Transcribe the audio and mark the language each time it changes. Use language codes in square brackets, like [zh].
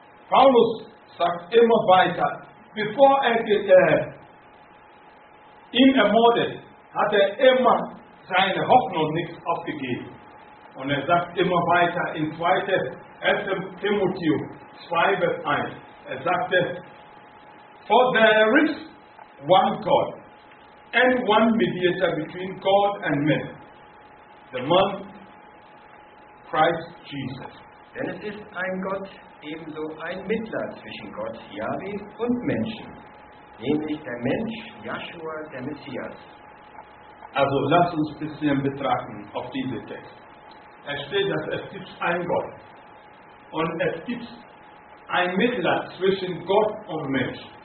[de] Paulus sagt immer weiter, bevor er ihn ermordet, hat er immer seine Hoffnung nicht aufgegeben. Und er sagt immer weiter in 2. 1. Timotheus 2, Vers 1. Er sagte, [en] For there is one God, and one mediator between God and men, the man Christ Jesus. [de] Denn es ist ein Gott, ebenso ein Mittler zwischen Gott, Yahweh, und Menschen, nämlich der Mensch, Yahshua, der Messias. Also lasst uns ein bisschen betrachten auf diese Text. Es steht, dass es gibt einen Gott und es gibt einen Mittler zwischen Gott und Mensch.